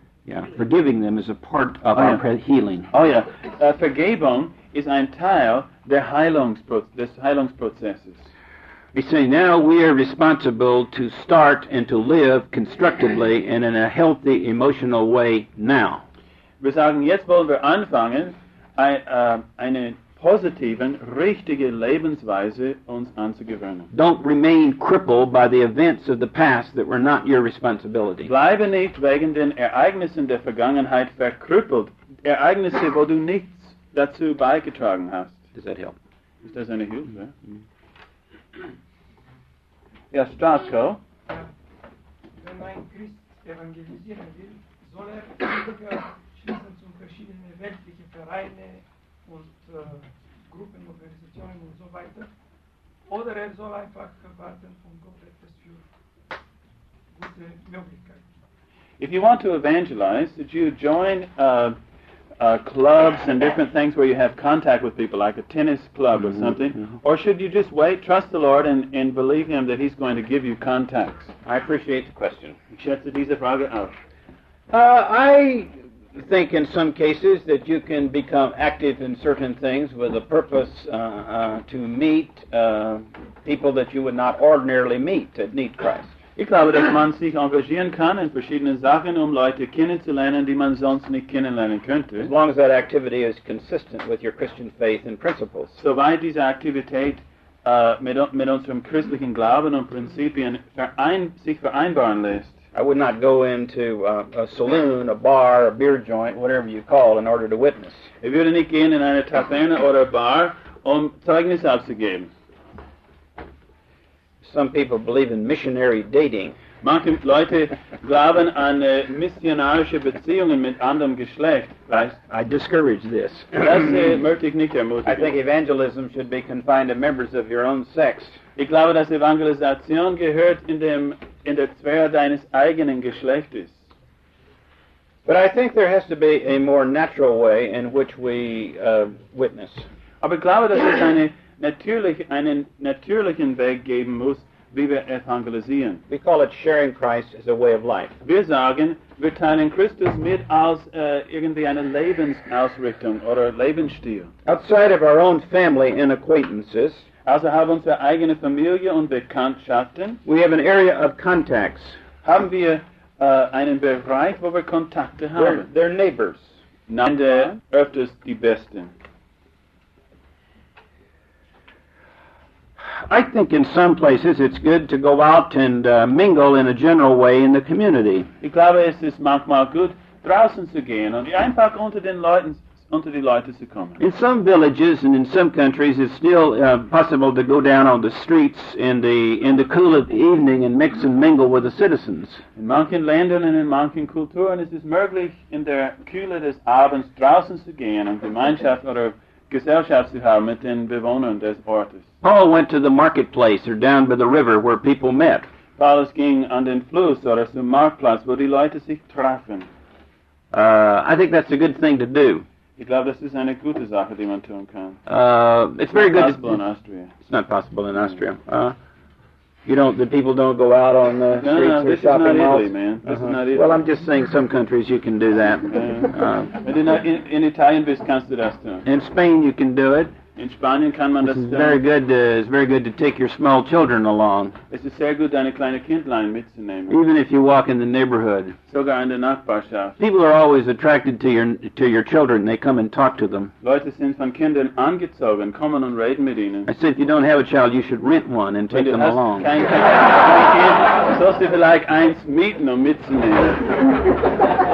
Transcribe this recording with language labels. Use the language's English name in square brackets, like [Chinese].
[English] Yeah, forgiving them is a part of our healing. [German] Oh yeah, Vergebung ist ein Teil des Heilungsprozesses. [English] We say now we are responsible to start and to live constructively and in a healthy emotional way now. [German] Wir sagen, jetzt wollen wir anfangen, eine positive, richtige Lebensweise uns anzugewöhnen. [English] Don't remain crippled by the events of the past that were not your responsibility. [German] Bleibe nicht wegen den Ereignissen der Vergangenheit verkrüppelt. Ereignisse, wo du nichts dazu beigetragen hast. [English] Does that help? [German] Ist das eine Hilfe? Mm-hmm. Ja, Stratko. Wenn ein Christ evangelisieren will, soll zum verschiedene weltliche Vereine und Gruppen, Organisationen und so weiter. Oder er soll einfach warten von Gott etwas für gute Möglichkeiten. [English] If you want to evangelize, did you join clubs and different things where you have contact with people, like a tennis club or something? Mm-hmm. Or should you just wait, trust the Lord, and believe Him that He's going to give you contacts? I appreciate the question. [German] Ich schätze diese Frage auf. [English] I think in some cases that you can become active in certain things with a purpose to meet people that you would not ordinarily meet that need Christ. [German] Ich glaube, dass man sich engagieren kann in verschiedenen Sachen, Leute kennenzulernen, die man sonst nicht kennenlernen könnte. [English] As long as that activity is consistent with your Christian faith and principles. [German] Soweit diese Aktivität mit unserem christlichen Glauben und Prinzipien sich vereinbaren lässt. [English] I would not go into a saloon, a bar, a beer joint, whatever you call, in order to witness. [German] Ich würde nicht gehen in eine Taverne oder Bar, Zeugnis abzugeben. [English] Some people believe in missionary dating. [German] Manche Leute glauben an missionarische Beziehungen mit anderem Geschlecht. [English] I discourage this. [German] Das möchte ich nicht ermutigen. [English] I think evangelism should be confined to members of your own sex. [German] Ich glaube, dass Evangelisation gehört in der Sphäre deines eigenen Geschlechtes. [English] But I think there has to be a more natural way in which we witness. [German] Aber ich glaube, dass es einen natürlichen Weg geben muss, wie wir evangelisieren. [English] We call it sharing Christ as a way of life. [German] Wir sagen, wir teilen Christus mit als irgendwie eine Lebensausrichtung oder Lebensstil. [English] Outside of our own family and acquaintances, [German] also haben unsere eigene Familie und Bekanntschaften. [English] We have an area of contacts. [German] Haben wir einen Bereich, wo wir Kontakte haben. [English] They're neighbors. [German] Und öfters die Besten. [English] I think in some places it's good to go out and mingle in a general way in the community. [German] Ich glaube, es ist manchmal gut, draußen zu gehen und einfach unter den Leuten unter die Leute zu kommen. [English] In some villages and in some countries it's still possible to go down on the streets in the cool of the evening and mix and mingle with the citizens. [German] In manchen Ländern und in manchen Kulturen ist es möglich, in der Kühle des Abends draußen zu gehen und Gemeinschaft oder Gesellschaft zu haben mit den Bewohnern des Ortes. [English] Paul went to the marketplace or down by the river where people met. [German] Paulus ging an den Fluss oder zum Marktplatz, wo die Leute sich trafen. [English] I think that's a good thing to do. [German] Ich glaube, das ist eine gute Sache, die man tun kann. [English] It's very good. It's not possible in Austria. It's not possible in Austria. The people don't go out on the streets or shopping malls. No, this is not man. This is not Italy. Well, I'm just saying some countries you can do that. In Italian, this [German] kannst du das tun. [English] In Spain, you can do it. [German] In Spanien kann man das [English] very good to, it's very good to take your small children along. [German] Es ist sehr gut, deine kleine Kindlein mitzunehmen. [English] Even if you walk in the neighborhood. [German] Sogar in der Nachbarschaft. [English] People are always attracted to your children. They come and talk to them. [German] Leute sind von Kindern angezogen, kommen und reden mit ihnen. [English] I said, if you don't have a child, you should rent one and take them along. [German] Wenn du kein Kind hast, sollst du vielleicht eins mieten, um mitzunehmen.